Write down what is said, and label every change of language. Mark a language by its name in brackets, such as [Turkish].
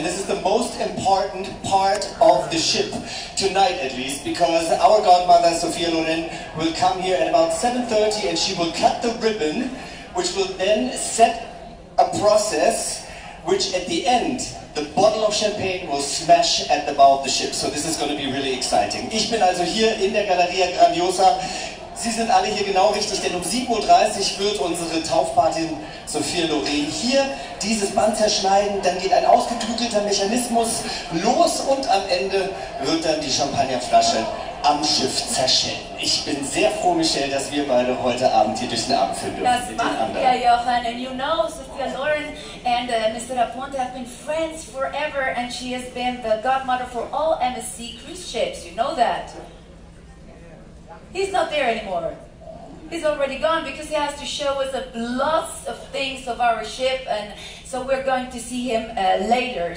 [English] And this is the most important part of the ship, tonight at least, because our godmother, Sophia Loren, will come here at about 7:30 and she will cut the ribbon, which will then set a process which at the end, the bottle of champagne will smash at the bow of the ship. So this is going to be really exciting. [German] Ich bin also hier in der Galleria Grandiosa. Sie sind alle hier genau richtig, denn um 7.30 Uhr wird unsere Taufpatin Sophia Loren hier dieses Band zerschneiden. Dann geht ein ausgetüftelter Mechanismus los und am Ende wird dann die Champagnerflasche am Schiff zerschellen. Ich bin sehr froh, Michelle, dass wir beide heute Abend hier durch den Abend führen dürfen. Das machen wir, Jochen. [English] And you know, Sophia Loren and Mr. Aponte have been friends forever and she has been the godmother for all MSC cruise ships. You know that? He's not there anymore. He's already gone because he has to show us lots of things of our ship, and so we're going to see him later.